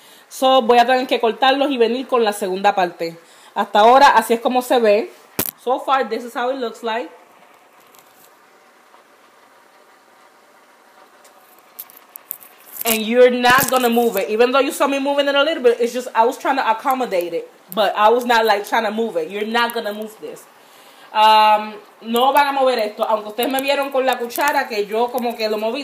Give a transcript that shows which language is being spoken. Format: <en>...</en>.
<es>So voy a tener que cortarlos y venir con la segunda parte. Hasta ahora, así es como se ve.</es> <en>So far, this is how it looks like. And you're not gonna move it. Even though you saw me moving it a little bit, it's just I was trying to accommodate it. But I was not like trying to move it. You're not gonna move this.</en> <es>No van a mover esto. Aunque ustedes me vieron con la cuchara que yo como que lo moví.</es>